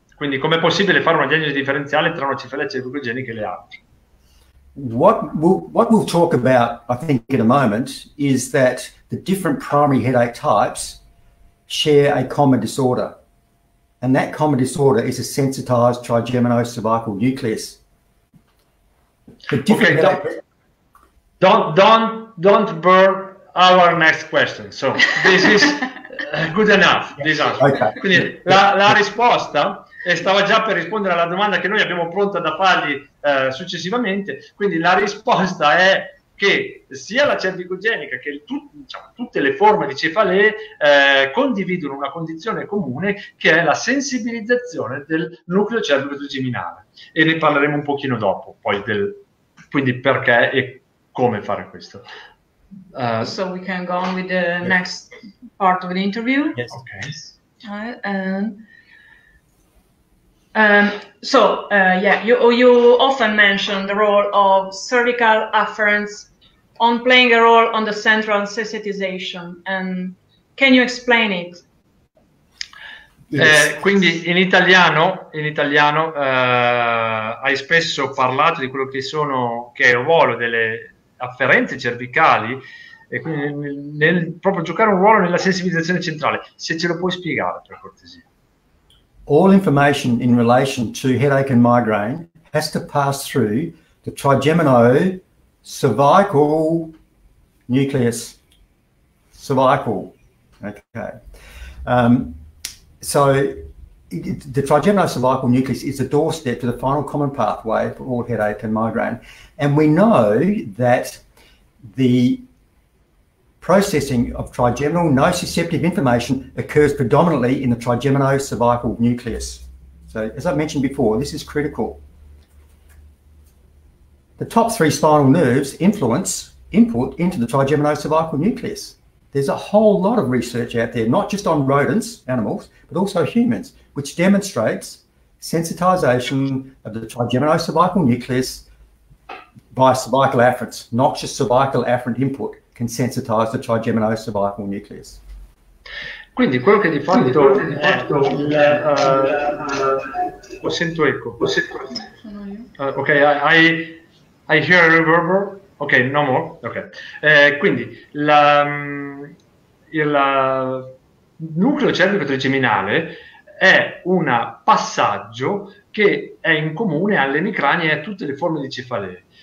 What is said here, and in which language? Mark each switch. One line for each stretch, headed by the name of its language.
Italian: Quindi com'è possibile fare una diagnosi differenziale tra una cefalea cefalogenica e le altre?
English: What we'll talk about, I think, in a moment, is that the different primary headache types share a common disorder. And that common disorder is a sensitized trigeminocervical nucleus. The different okay, don't burn our next question. So this is good enough, this answer. Okay.
Italian: Quindi la risposta... E stava già per rispondere alla domanda che noi abbiamo pronta da fargli successivamente. Quindi la risposta è che sia la cervicogenica che tutte le forme di cefalee condividono una condizione comune, che è la sensibilizzazione del nucleo cervico-trigeminale. E ne parleremo un pochino dopo, poi del quindi perché e come fare questo.
English: So we can go on with the next part of the interview. Yes. Okay. You often mention the role of cervical afferents on playing a role on the central sensitization. And can you explain it?
Italian: Quindi in italiano hai spesso parlato di quello che è il ruolo delle afferenze cervicali e quindi nel proprio giocare un ruolo nella sensibilizzazione centrale. Se ce lo puoi spiegare per cortesia.
English: All information in relation to headache and migraine has to pass through the trigeminocervical nucleus, cervical, okay. The trigeminocervical nucleus is a doorstep to the final common pathway for all headache and migraine. And we know that the processing of trigeminal nociceptive information occurs predominantly in the trigeminocervical nucleus. So, as I mentioned before, this is critical. The top three spinal nerves influence input into the trigeminocervical nucleus. There's a whole lot of research out there, not just on rodents, animals, but also humans, which demonstrates sensitization of the trigeminocervical nucleus by cervical afferents, noxious cervical afferent input. Can sensitize the trigeminocervical nucleus.
Italian: Quindi quello che di fatto è ho sento eco.
English: I hear a reverb. Okay, no more. Okay.
Italian: Quindi il nucleo cervico-trigeminale è un passaggio che è in comune alle emicranie e a tutte le forme di cefalee.